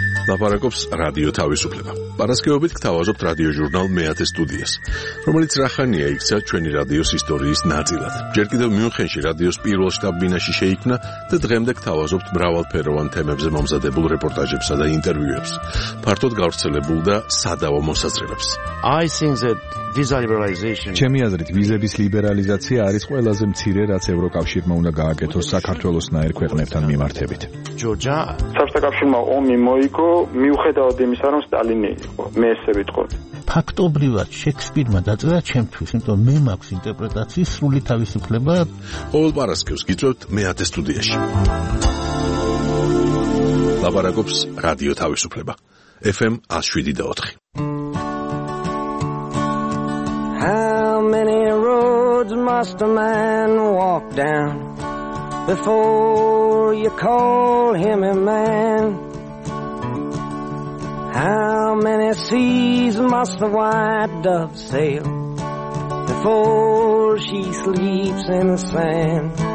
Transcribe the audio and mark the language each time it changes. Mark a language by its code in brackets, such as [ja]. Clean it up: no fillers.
[ka] ლაპარაკობს რადიო თავისუფლება. პარასკევობით გთავაზობთ რადიოჟურნალ მეათე სტუდიას, რომელიც რახანია იქცა ჩვენი რადიოს ისტორიის ნაწილად. ჯერ კიდევ მიუნხენში რადიოს პირველ შტაბ-ბინაში შეიქმნა და დღემდე გთავაზობთ მრავალფეროვან თემებზე მომზადებულ რეპორტაჟებსა და ინტერვიუებს, ფართოდ გავრცელებულ და სადავო მოსაზრებებს. [en] I think that visualization. [ka] ჩემი აზრით, ვიზების ლიბერალიზაცია არის ყველაზე მცირე, რაც ევროკავშირმა უნდა გააკეთოს საქართველოს ნაერ ქვეყნებთან მიმართებით. ჯოჯა, საბჭოთა კავშირმა ომი მოიგო, მიუხედავად იმისა, რომ სტალინი იყო, მე ესე ვიტყოდი. ფაქტობრივად შექსპირმა დაწერა ჩემთვის, იმიტომ მე მაქვს ინტერპრეტაციის სრული თავისუფლება. ყოველ პარასკევს გიწევთ მეათე სტუდიაში. ლაპარაკობს რადიო თავისუფლება. FM 107.4. [en] How many roads must a man walk down before you call him a man? How many seas must the white dove sail before she sleeps in the sand?